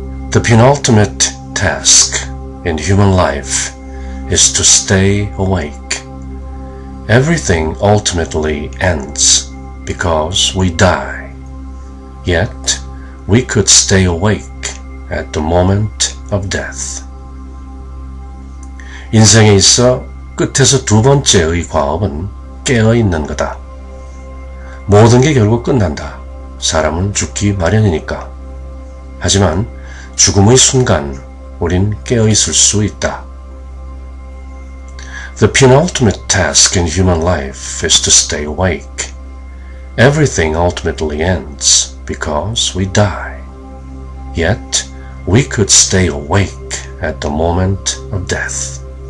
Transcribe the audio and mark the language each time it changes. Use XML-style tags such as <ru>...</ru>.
<en>The penultimate task in human life is to stay awake. Everything ultimately ends because we die. Yet, we could stay awake at the moment of death.</en> <ko>인생에 있어 끝에서 두 번째의 과업은 깨어있는 거다. 모든 게 결국 끝난다. 사람은 죽기 마련이니까. 하지만 죽음의 순간 우린 깨어있을 수 있다.</ko> <en>The penultimate task in human life is to stay awake. Everything ultimately ends because we die. Yet, we could stay awake at the moment of death.</en>